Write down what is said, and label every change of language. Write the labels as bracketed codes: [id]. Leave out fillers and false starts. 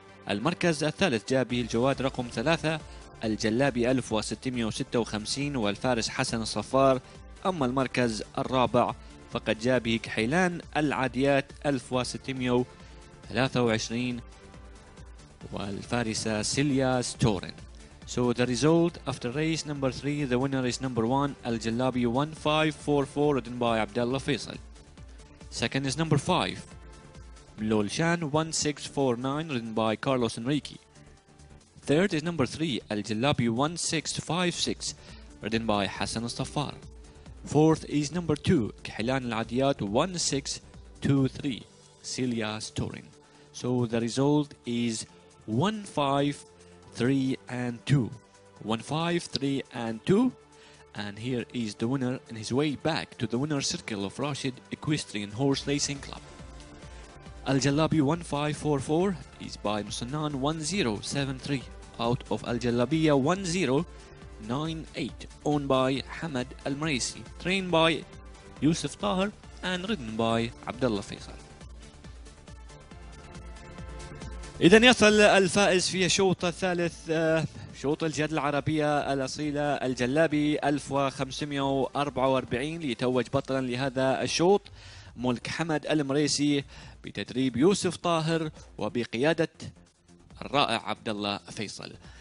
[ar] المركز الثالث جاء به الجواد رقم 3 الجلابي 1656 والفارس حسن الصفار. أما المركز الرابع فقد جاء به كحيلان العاديات 1623 والفارسة سيليا ستورن. [en] So the result after race number 3, the winner is number 1, Al-Jalabi 1544, ridden by Abdallah Faisal. Second is number 5, ملول شان 1649, ridden by Carlos Enrique. Third is number 3, Al-Jalabi 1656, ridden by Hassan Astafar. Fourth is number 2, Kahilan Al-Adiyat 1623, Celia Storin. So the result is 1-5-3-2, and here is the winner on his way back to the winner's circle of Rashid Equestrian Horse Racing Club. Al-Jalabi 1544 is by Musannan 1073 out of Al-Jalabiya 1098, owned by Hamad Al-Mareisi, trained by Yusuf Tahir and ridden by Abdullah Faisal. [ar] إذا يصل الفائز في الشوط الثالث شوط الجياد العربية الأصيلة الجلابي 1544 ليتوج بطلا لهذا الشوط ملك حمد المريسي بتدريب يوسف طاهر وبقيادة الرائع عبد الله فيصل.